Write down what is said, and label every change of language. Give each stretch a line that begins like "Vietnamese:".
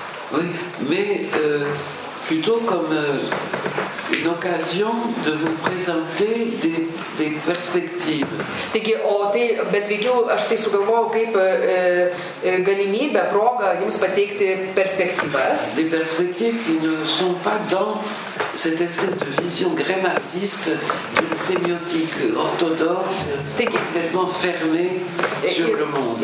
French: Oui, mais plutôt comme une occasion de vous présenter des perspectives.
Lithuanian: Taigi, o tai, bet veikiau, aš tai sugalvojau kaip galimybę, progą jums pateikti perspektyvas.
French: Des perspectives qui ne sont pas dans cette espèce de vision grémaciste d'une sémiotique orthodoxe complètement fermée sur le monde.